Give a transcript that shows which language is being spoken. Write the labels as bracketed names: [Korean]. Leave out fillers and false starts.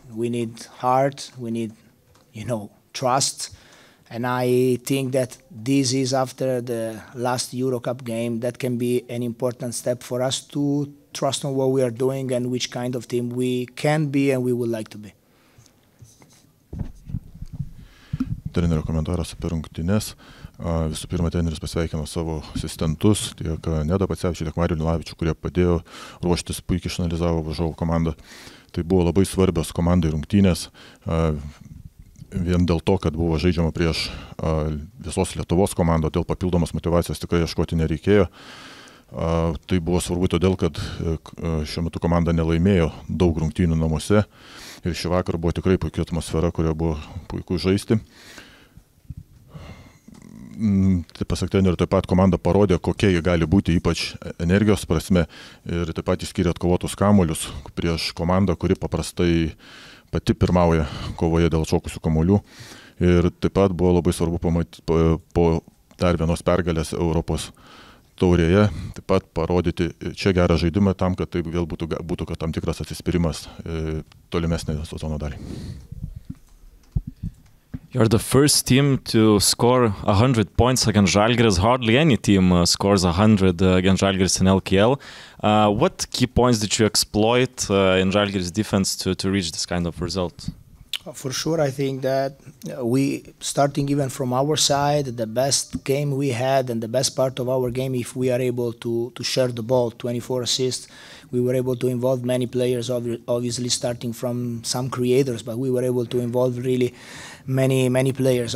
[English] We need heart, we need, you know, trust. And I think that this is after the last Euro Cup game, that can be an important step for us to trust on what we are doing and which kind of team we can be and we would like to be. [Lithuanian] Trenerio komentaras apie rungtynes. Visų pirma, treneris pasveikino savo asistentus, tiek Nedą Pacevičių, tiek Marių Linavičių, kurie padėjo ruoštis, puikiai išanalizavo varžovų komandą. Tai buvo labai svarbios komandai rungtynės, vien dėl to, kad buvo žaidžiama prieš visos Lietuvos komandą, dėl papildomos motivacijos tikrai ieškoti nereikėjo. Tai buvo svarbu todėl, kad šiuo metu komanda nelaimėjo daug rungtynių namuose ir šį vakarą buvo tikrai puikia atmosfera, kurioje buvo puiku žaisti. Taip pasak trenerio, taip pat komanda parodė, kokie jie gali būti, ypač energijos prasme, ir taip pat išskyrė atkovotus kamuolius prieš komandą, kuri paprastai pati pirmauja kovoje dėl atšokusių kamuolių. Ir taip pat buvo labai svarbu pamatyti po dar vienos pergalės Europos taurėje, taip pat parodyti čia gerą žaidimą tam, kad taip vėl būtų kad tam tikras atsispyrimas tolimesnė sezono daliai. [English] You're the first team to score 100 points against Žalgiris. Hardly any team scores 100 against Žalgiris in LKL. What key points did you exploit in Žalgiris' defense to reach this kind of result? For sure, I think that we, starting even from our side, the best game we had and the best part of our game, if we are able to share the ball, 24 assists, we were able to involve many players, obviously starting from some creators, but we were able to involve really many players.